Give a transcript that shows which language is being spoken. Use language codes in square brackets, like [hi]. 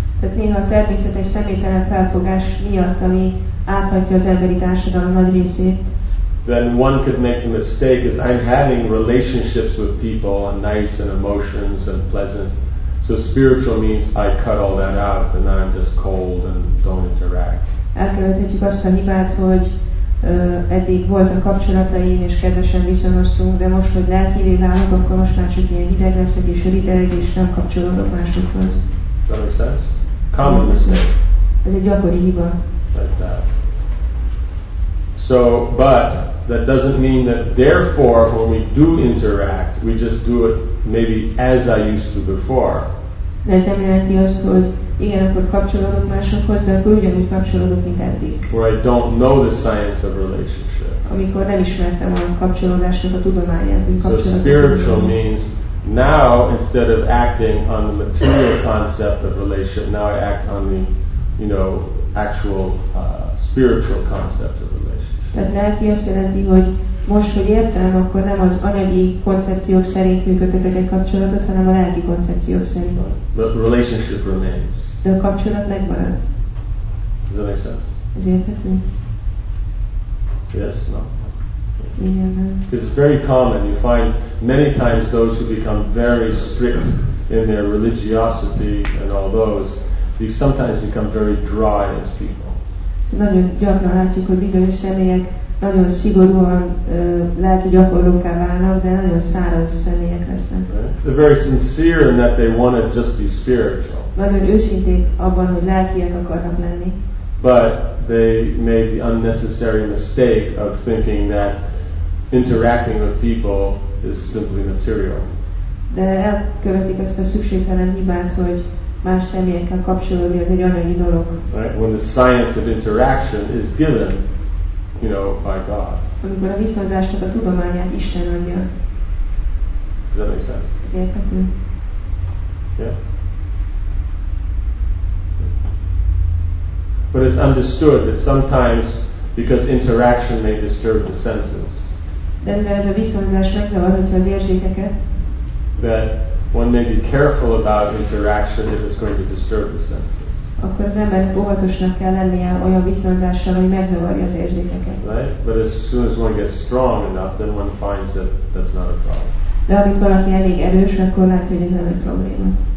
[hu] Tehát néha a természetes személytelen felfogás miatt, ami áthatja az emberi társadalom nagy részét. [en] Then one could make the mistake is I'm having relationships with people and nice and emotions and pleasant. So spiritual means I cut all that out and I'm just cold and don't interact. [hu] Elkövethetjük azt a hibát, hogy eddig voltak kapcsolataim és kedvesen viszonoztunk, de most, hogy lelkivé válok, akkor most már csak ilyen hideg leszek és rideg, és nem kapcsolódok másokhoz. [en] That makes sense? Common mistake. [hu] Ez egy gyakori hiba. [en] Like that. So, but that doesn't mean that therefore when we do interact, we just do it maybe as I used to before. [hu] De ez nem jelenti azt, hogy igen, akkor kapcsolódok másokhoz, de akkor ugyanúgy kapcsolódok, mint eddig. [en] Where I don't know the science of relationship. [hu] Amikor nem ismertem a kapcsolódásnak a tudományát. [en] So spiritual means now instead of acting on the material concept of relationship, now I act on the, you know, actual spiritual concept of relationship. [hu] Tehát neki azt jelenti, hogy most, hogy értem, akkor nem az anyagi koncepciók szerint működtetek egy kapcsolatot, hanem a lelki koncepciók szerint. [en] The relationship remains. [hu] De a kapcsolat megmarad. [en] Does that make sense? [hu] Ez érthető? [en] Yes, no. It's very common. You find many times those who become very strict in their religiosity and all those, they sometimes become very dry as people. [hu] Nagyon gyakran látjuk, hogy bizonyos személyek nagyon szigorúan lehet, hogy gyakorlókká válnak, de nagyon száraz személyek lesznek. [en] They're very sincere in that they want to just be spiritual. [hu] Nagyon őszinték abban, hogy lelkiek akarnak lenni. [en] But they made the unnecessary mistake of thinking that interacting with people is simply material. [hu] De elkövetik azt a szükségtelen hibát, hogy más személyekkel kapcsolódni az egy anyagi dolog. [en] Right? When the science of interaction is given, you know, by God. [hu] Amikor a viszonzásnak a tudományát Isten adja. [en] Does that make sense? [hu] Ez érthető. [en] Yeah. But it's understood that sometimes, because interaction may disturb the senses, [hu] de mivel ez a viszonzás megzavarhatja az érzéseket, [en] that one may be careful about interaction if it's going to disturb the senses. [hu] Akkor az ember óvatosnak kell lennie olyan viszonzással, hogy megzavarja az érzéseket. [en] Right? But as soon as one gets strong enough, then one finds that that's not a problem. [hu] De amikor valaki elég erős, akkor lát, hogy ez nem egy probléma.